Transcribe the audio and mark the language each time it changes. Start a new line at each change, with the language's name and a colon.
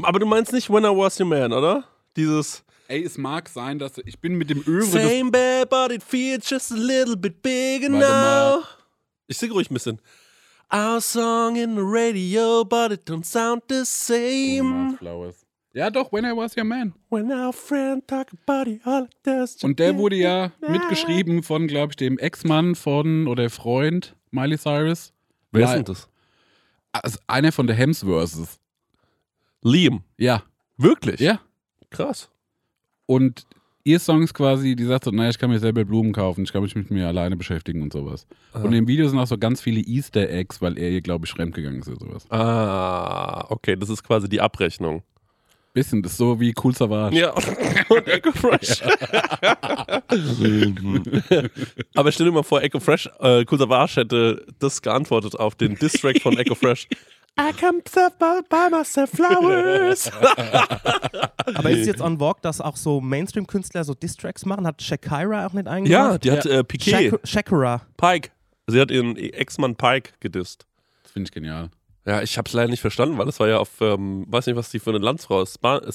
German: Aber du meinst nicht When I Was Your Man, oder? Dieses... Ey, es mag sein, dass ich bin mit dem Övre...
English: Same bad, but it feels just a little bit bigger now.
German: Ich sing ruhig ein bisschen.
English: Our song in the radio, but it don't sound the same.
German: Flowers. Ja doch, When I Was Your Man.
English: When our friend talk about it all like this.
German: Und der wurde ja mitgeschrieben von, glaube ich, dem Ex-Mann von oder Freund Miley Cyrus. Wer ist denn das? Also einer von der Hemsworths. Liam. Ja. Wirklich? Ja. Krass. Und ihr Song ist quasi, die sagt so, naja, ich kann mir selber Blumen kaufen, ich kann mich mit mir alleine beschäftigen und sowas. Aha. Und im Video sind auch so ganz viele Easter Eggs, weil er ihr, glaube ich, fremdgegangen ist oder sowas. Ah, okay, das ist quasi die Abrechnung. Bisschen, das ist so wie Cool Savage. Ja, und Echo Fresh. Aber stell dir mal vor, Echo Fresh, Cool Savage hätte das geantwortet auf den Diss-Track von Echo Fresh.
English: I can buy myself flowers.
German: Aber ist jetzt on vogue, dass auch so Mainstream-Künstler so Diss-Tracks machen? Hat Shakira auch nicht eingemacht? Ja, die hat Piqué. Shakira. Pike. Sie hat ihren Ex-Mann Pike gedisst. Das finde ich genial. Ja, ich habe es leider nicht verstanden, weil das war ja auf, weiß nicht, was die für eine Landsfrau ist. Spanisch.